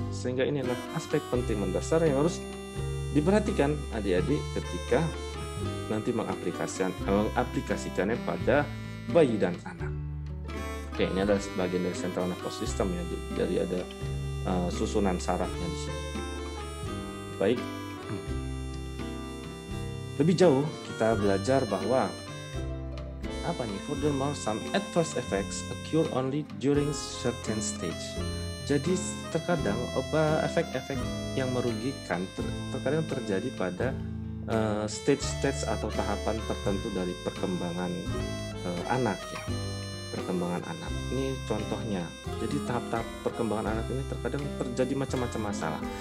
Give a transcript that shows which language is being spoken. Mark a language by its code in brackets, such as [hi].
[id] Sehingga ini adalah aspek penting mendasar yang harus diperhatikan adik-adik ketika nanti mengaplikasikannya pada bayi dan anak. Oke, ini adalah bagian dari central nervous system ya, jadi ada susunan sarafnya di sini. Baik. Lebih jauh kita belajar bahwa apa nih? [en] Furthermore, some adverse effects occur only during certain stage. [id] Jadi terkadang efek-efek yang merugikan terkadang terjadi pada stage-stage atau tahapan tertentu dari perkembangan anak ya. Perkembangan anak ini contohnya, jadi tahap-tahap perkembangan anak ini terkadang terjadi macam-macam masalah.